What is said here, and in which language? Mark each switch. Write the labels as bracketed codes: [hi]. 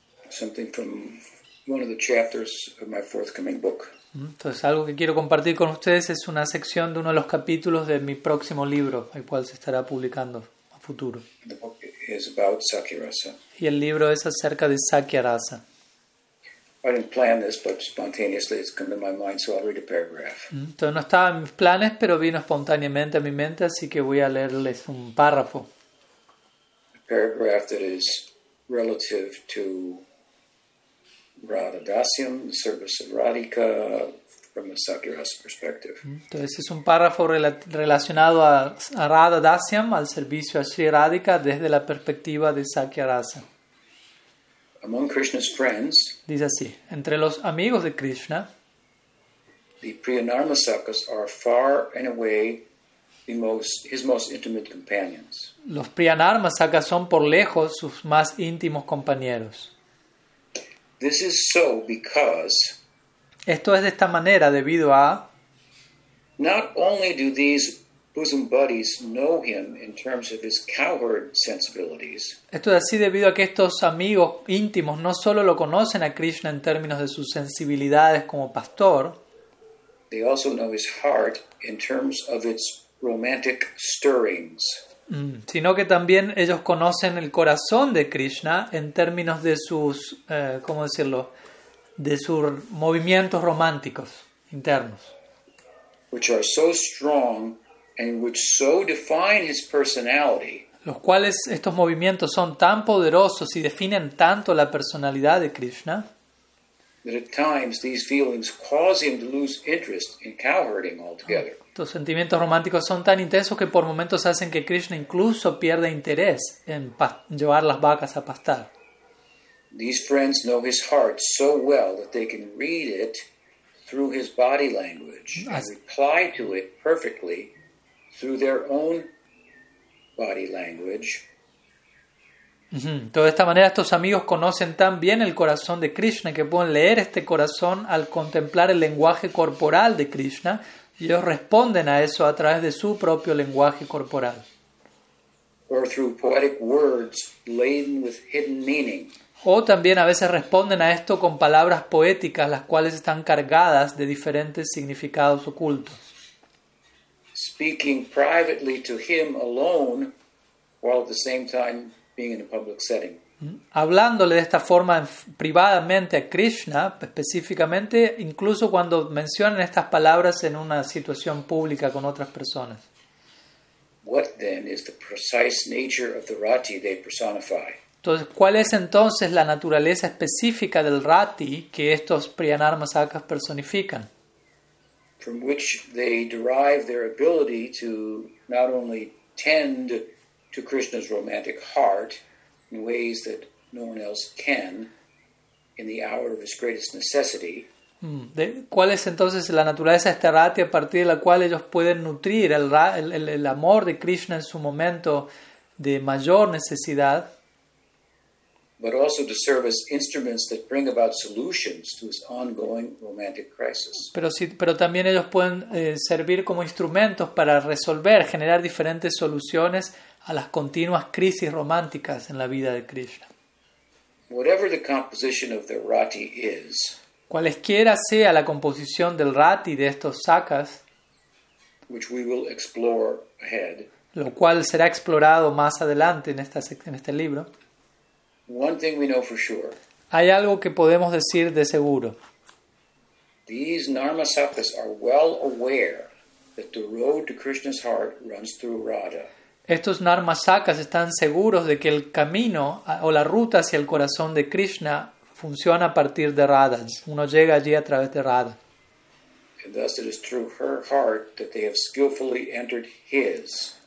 [en] Something from one of the chapters of my forthcoming book. [es] Entonces, algo que quiero compartir con ustedes es una sección de uno de los capítulos de mi próximo libro, el cual se estará publicando a futuro. [en] The book is about Sakyarasa. [es] Y el libro es acerca de Sakyarasa. [en] I didn't plan this, but spontaneously it's come to my mind, so I'll read a paragraph. [es] Entonces, no estaba en mis planes, pero vino espontáneamente a mi mente, así que voy a leerles un párrafo. [en] A paragraph that is relative to Radha Dasyam, the service of Radhika, from a Sakyarasa perspective. [es] Entonces es un párrafo relacionado a Radha Dasyam, al servicio a Sri Radhika, desde la perspectiva de Sakyarasa. [en] Among Krishna's friends, [es] dice así, entre los amigos de Krishna, [en] the Priyanarmasakas are far and away his most intimate companions. [es] Los Priyanarmasakas son por lejos sus más íntimos compañeros. [en] This is so because [es] esto es de esta manera debido a [en] not only do these bosom buddies know him in terms of his cowherd sensibilities. [es] Esto es así debido a que estos amigos íntimos no solo lo conocen a Krishna en términos de sus sensibilidades como pastor, [en] they also know his heart in terms of its romantic stirrings. [es] Sino que también ellos conocen el corazón de Krishna en términos de sus, ¿cómo decirlo?, de sus movimientos románticos internos. [en] Which are so strong and which so define his personality. [es] Los cuales estos movimientos son tan poderosos y definen tanto la personalidad de Krishna. [en] That at times these feelings cause him to lose interest in cowherding altogether. [es] Estos sentimientos románticos son tan intensos que por momentos hacen que Krishna incluso pierda interés en llevar las vacas a pastar. [en] These friends know his heart so well that they can read it through his body language and reply to it perfectly through their own body language. [es] Entonces, de esta manera, estos amigos conocen tan bien el corazón de Krishna que pueden leer este corazón al contemplar el lenguaje corporal de Krishna. Y ellos responden a eso a través de su propio lenguaje corporal. [en] Or through poetic words laden with hidden meaning. [es] O también a veces responden a esto con palabras poéticas, las cuales están cargadas de diferentes significados ocultos. [en] Speaking privately to him alone, while at the same time being in a public setting. [es] Hablándole de esta forma privadamente a Krishna, específicamente, incluso cuando mencionan estas palabras en una situación pública con otras personas. [en] What then is the precise nature of the Rati they personify? [es] Entonces, ¿cuál es entonces la naturaleza específica del Rati que estos Priyanarmasakas personifican? [en] From which they derive their ability to not only tend to Krishna's romantic heart in ways that no one else can in the hour of his greatest necessity. [es] ¿Cuál es entonces la naturaleza de este Rati a partir de la cual ellos pueden nutrir el amor de Krishna en su momento de mayor necesidad? [en] But also to serve as instruments that bring about solutions to his ongoing romantic crisis. [es] Pero también ellos pueden servir como instrumentos para resolver, generar diferentes soluciones a las continuas crisis románticas en la vida de Krishna. [en] Whatever the composition of the Rati is, [es] cualesquiera sea la composición del Rati de estos sakas, [en] which we will explore ahead, [es] lo cual será explorado más adelante en este libro. [en] One thing we know for sure. [es] Hay algo que podemos decir de seguro. [en] These Narmasakas are well aware that the road to Krishna's heart runs through Radha. [es] Estos Narmasakas están seguros de que el camino o la ruta hacia el corazón de Krishna funciona a partir de Radha. Uno llega allí a través de Radha. [en] And thus it is through her heart that they have skillfully entered his.